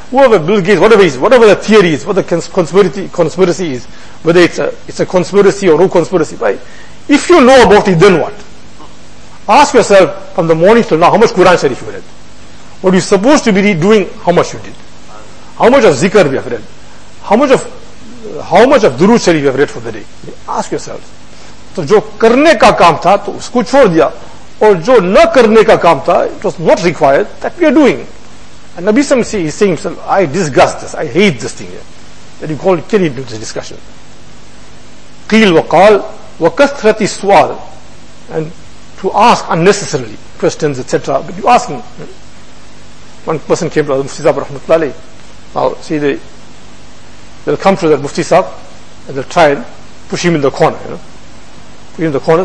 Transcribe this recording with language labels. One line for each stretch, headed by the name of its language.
English: Whoever Bill Gates, whatever it is, whatever the theory is, what the conspiracy is, whether it's a conspiracy or no conspiracy, right? If you know about it, then what? Ask yourself, from the morning till now, how much Quran Sharif you read? What you're supposed to be doing, how much you did? How much of Zikr we have read? How much of Durood Sharif you have read for the day? Ask yourselves.
Urdu: تو جو کرنے کا کام تھا تو اس کو چھوڑ دیا, اور جو نہ کرنے کا کام تھا
English: it was not required that we are doing. And Nabi Sam is saying himself, I disgust this, I hate this thing here. That you call carry into this discussion.
Arabic: قيل وقال وكثرت السؤال,
English: and to ask unnecessarily questions, etc. But you ask him. One person came to Mufti Sahib rahmatullahi alayhi. Now see, they'll come to that Mufti Sahib and they'll try and push him in the corner, you know. Put him in the corner.